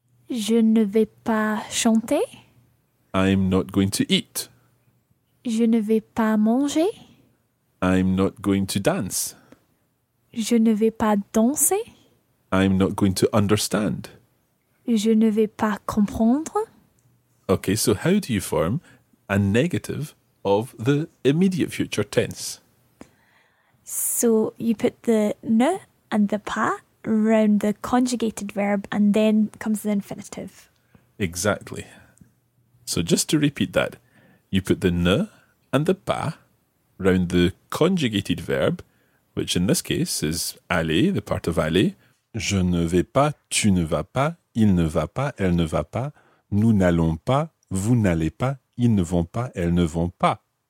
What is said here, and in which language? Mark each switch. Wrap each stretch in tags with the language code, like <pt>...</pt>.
<fr>Je ne vais pas chanter.</fr> <en>I'm not going to eat.</en> <fr>Je ne vais pas manger.</fr> <en>I'm not going to dance.</en> <fr>Je ne vais pas danser.</fr> <en>I'm not going to understand.</en> <fr>Je ne vais pas comprendre.</fr> <en>Okay, so how do you form a negative of the immediate future tense? So you put the ne and the pas round the conjugated verb and then comes the infinitive. Exactly. So just to repeat that, you put the ne and the pas round the conjugated verb, which in this case is aller, the part of aller.</en> <fr>Je ne vais pas, tu ne vas pas, il ne va pas, elle ne va pas, nous n'allons pas, vous n'allez pas, ils ne vont pas, elles ne vont pas.</fr>